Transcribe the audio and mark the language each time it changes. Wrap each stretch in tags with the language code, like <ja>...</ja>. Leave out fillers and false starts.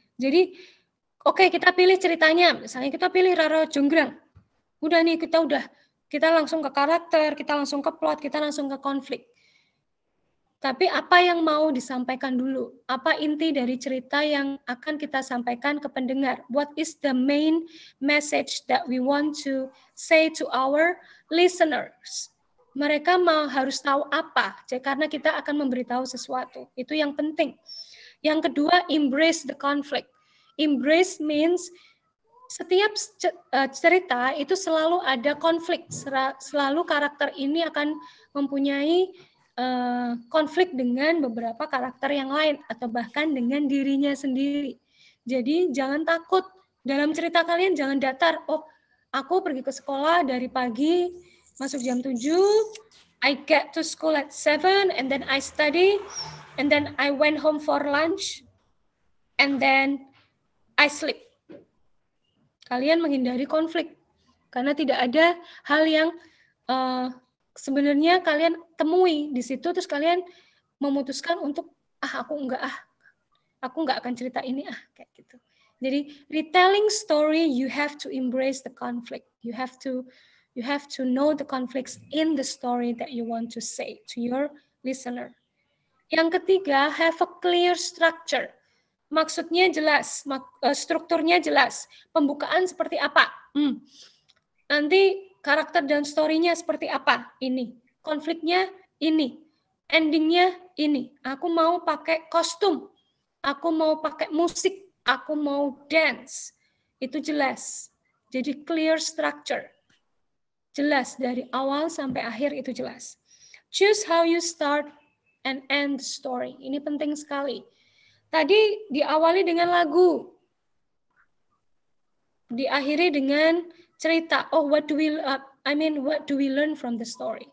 <id>Jadi, okay, kita pilih ceritanya. Misalnya kita pilih Roro Jonggrang. Udah nih, kita langsung ke karakter, kita langsung ke plot, kita langsung ke konflik. Tapi apa yang mau disampaikan dulu? Apa inti dari cerita yang akan kita sampaikan ke pendengar?</id> <en>What is the main message that we want to say to our listeners?</en> <id>Mereka mau harus tahu apa, karena kita akan memberitahu sesuatu. Itu yang penting. Yang kedua,</id> <en>embrace the conflict.</en> <id>Embrace means setiap cerita itu selalu ada konflik. Selalu karakter ini akan mempunyai konflik dengan beberapa karakter yang lain atau bahkan dengan dirinya sendiri. Jadi jangan takut dalam cerita kalian, jangan datar. Oh, aku pergi ke sekolah dari pagi, masuk jam 7,</id> <en>I get to school at 7 and then I study and then I went home for lunch and then I sleep.</en> <id>Kalian menghindari konflik karena tidak ada hal yang sebenarnya kalian temui di situ, terus kalian memutuskan untuk aku nggak akan cerita ini kayak gitu. Jadi</id> <en>retelling story, you have to embrace the conflict, you have to know the conflicts in the story that you want to say to your listener.</en> <id>Yang ketiga,</id> <en>have a clear structure.</en> <id>Maksudnya jelas, strukturnya jelas, pembukaan seperti apa, nanti karakter dan story-nya seperti apa, ini, konfliknya ini, ending-nya ini, aku mau pakai kostum, aku mau pakai musik, aku mau dance, itu jelas, jadi clear structure, jelas dari awal sampai akhir itu jelas.</id> <en>Choose how you start and end story,</en> <id>ini penting sekali. Tadi diawali dengan lagu, diakhiri dengan cerita.</id> <en>Oh, what do we learn from the story?</en>